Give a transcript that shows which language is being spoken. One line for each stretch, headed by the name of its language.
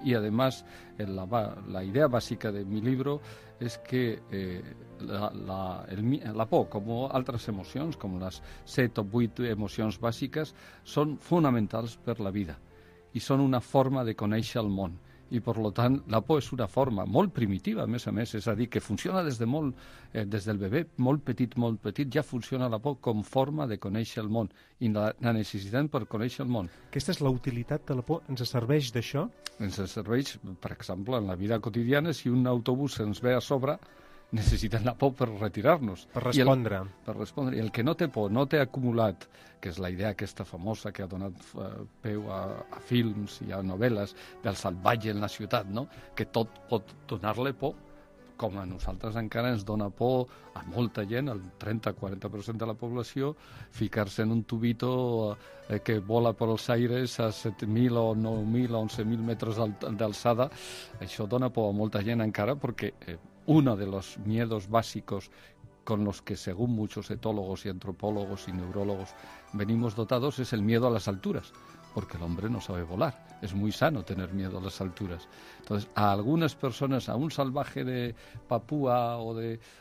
Spanish: Y además, la idea básica de mi libro es que la por, como otras emociones, como las 7 o 8 emociones básicas, son fundamentales para la vida y son una forma de conocer el mundo.
Catalan: I, per tant, la por és una forma molt primitiva, a més, és a dir, que funciona des del bebè, molt petit, ja funciona la por com forma de conèixer el món i la necessitem per conèixer el món. Aquesta és la utilitat de la por? Ens serveix d'això? Ens serveix, per exemple, en la vida quotidiana, si un autobús ens ve a sobre, necessiten la por per retirar-nos. Per respondre. Per respondre. I el que no té por, no té acumulat, que és la idea aquesta famosa que ha donat peu a films i a novel·les del salvatge en la ciutat, no? Que tot pot donar-li por, com a nosaltres encara ens dona por a molta gent, al 30-40% de la població, ficar-se en un tubito que vola per els aires a 7.000 o 9.000 o 11.000 metres d'alçada. Això dona por a molta gent encara perquè
Spanish: uno de los miedos básicos con los que, según muchos etólogos y antropólogos y neurólogos, venimos dotados es el miedo a las alturas, porque el hombre no sabe volar. Es muy sano tener miedo a las alturas. Entonces, a algunas personas, a un salvaje de Papúa o de...